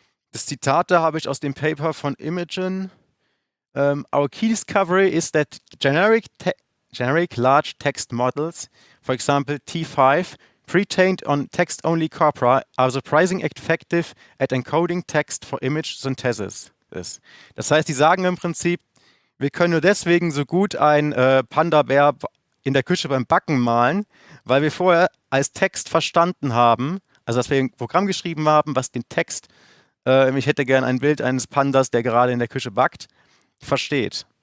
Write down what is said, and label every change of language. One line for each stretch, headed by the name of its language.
German: Das Zitat da habe ich aus dem Paper von Imogen.
English: Our key discovery is that generic large text models, for example T5, pre-trained on text-only corpora, are surprisingly effective at encoding text for image synthesis.
German: Das heißt, die sagen im Prinzip, wir können nur deswegen so gut ein Panda-Bär in der Küche beim Backen malen, weil wir vorher als Text verstanden haben, also dass wir ein Programm geschrieben haben, was den Text, ich hätte gern ein Bild eines Pandas, der gerade in der Küche backt, versteht.